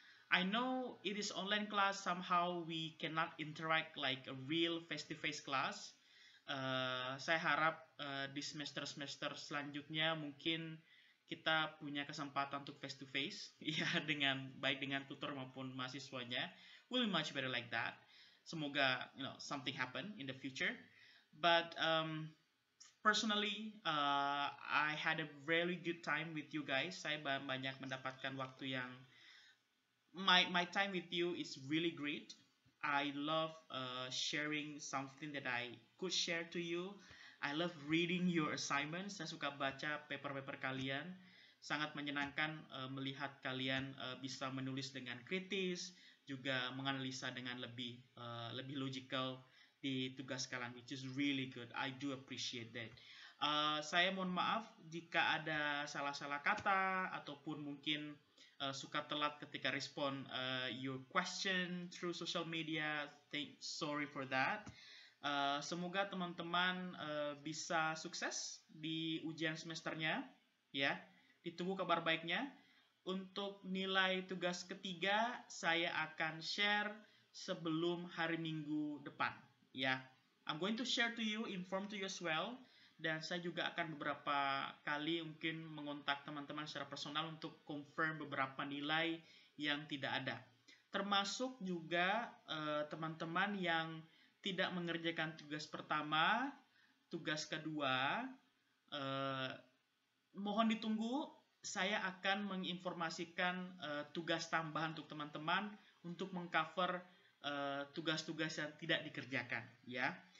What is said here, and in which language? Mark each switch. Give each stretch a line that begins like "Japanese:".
English: I know it is online class, somehow we cannot interact like a real face-to-face class.
Indonesian: Saya harap di semester-semester selanjutnya mungkin kita punya kesempatan untuk face to face, ya, dengan baik dengan tutor maupun mahasiswanya.
English: Will be much better like that.
Indonesian: Semoga,
English: you know, something happen in the future. But personally, I had a really good time with you guys.
Indonesian: Saya banyak mendapatkan waktu yang
English: my time with you is really great. I love sharing something that I could share to you. I love reading your assignments.
Indonesian: Saya suka baca paper-paper kalian. sangat menyenangkan melihat kalian bisa menulis dengan kritis, juga menganalisa dengan lebih lebih logical di tugas kalian,
English: which is really good. I do appreciate that.
Indonesian: Saya mohon maaf jika ada salah-salah kata ataupun mungkin suka telat ketika respon
English: your question through social media. Sorry for that.
Indonesian: Semoga teman-teman bisa sukses di ujian semesternya, ya. Ditunggu kabar baiknya. Untuk nilai tugas ketiga, saya akan share sebelum hari Minggu depan, ya.
English: I'm going to share to you, inform to you as well.
Indonesian: Dan saya juga akan beberapa kali mungkin mengontak teman-teman secara personal untuk confirm beberapa nilai yang tidak ada. Termasuk juga teman-teman yang tidak mengerjakan tugas pertama, tugas kedua, mohon ditunggu, saya akan menginformasikan tugas tambahan untuk teman-teman untuk mengcover tugas-tugas yang tidak dikerjakan, ya.